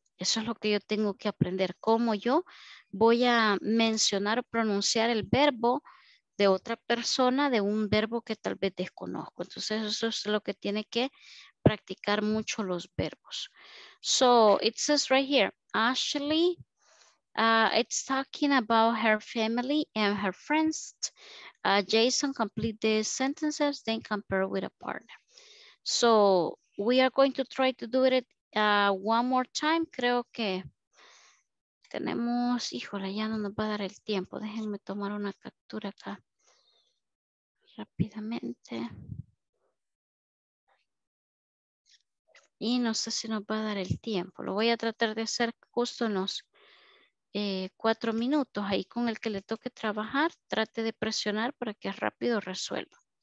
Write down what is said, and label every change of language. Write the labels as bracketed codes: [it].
[es] Eso es lo que yo tengo que aprender. Cómo yo voy a mencionar o pronunciar el verbo de otra persona, de un verbo que tal vez desconozco. Entonces eso es lo que tiene que practicar mucho los verbos. [en] So it says right here, Ashley... it's talking about her family and her friends. Jason, complete the sentences, then compare with a partner. So we are going to try to do it one more time. [es] Creo que tenemos, híjole, ya no nos va a dar el tiempo. Déjenme tomar una captura acá rápidamente. Y no sé si nos va a dar el tiempo. Lo voy a tratar de hacer justo en los 4 minutos, ahí con el que le toque trabajar, trate de presionar para que rápido resuelva.